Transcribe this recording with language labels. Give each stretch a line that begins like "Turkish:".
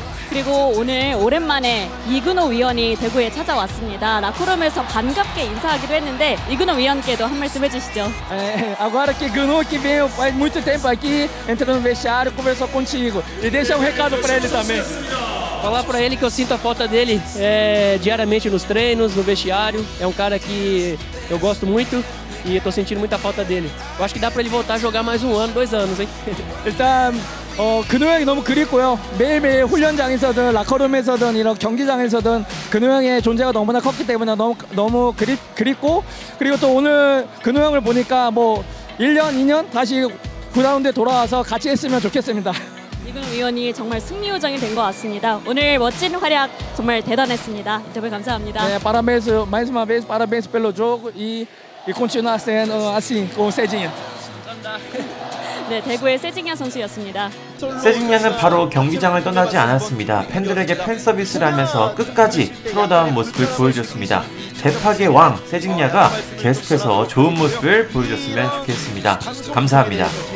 Korean: 그리고 오늘 오랜만에 이근호 위원이 대구에 찾아왔습니다. 라코룸에서 반갑게 인사하기로 했는데 이근호 위원께도 한 말씀 해주시죠.
Portuguese: Agora que Gunu que veio faz muito tempo aqui entrou no vestiário, conversou contigo e deixa recado para ele também. Falar para ele que eu sinto a falta dele diariamente nos treinos, no vestiário. É um cara que eu gosto muito e estou sentindo muita falta dele. Eu acho que dá para ele voltar a jogar mais um ano, dois anos, hein? Ele está...
Korean: 근우 형이 너무 그립고요. 매일매일 훈련장에서든 라커룸에서든 이런 경기장에서든 근우 형의 존재가 너무나 컸기 때문에 너무 그립고 그리고 또 오늘 근우 형을 보니까 뭐 1년, 2년 다시 그라운드에 돌아와서 같이 했으면 좋겠습니다. 이근우 위원이 정말 승리 요정이 된 것 같습니다. 오늘 멋진 활약 정말 대단했습니다. 정말 감사합니다.
Portuguese: 네, parabéns, mais uma vez, parabéns pelo jogo e continuar sendo assim com o Cedinho.
Korean: 감사합니다. 네, 대구의 세징야 선수였습니다. 세징야는 바로 경기장을 떠나지 않았습니다. 팬들에게 팬서비스를 하면서 끝까지 프로다운 모습을 보여줬습니다. 대파계 왕 세징야가 계속해서 좋은 모습을 보여줬으면 좋겠습니다. 감사합니다.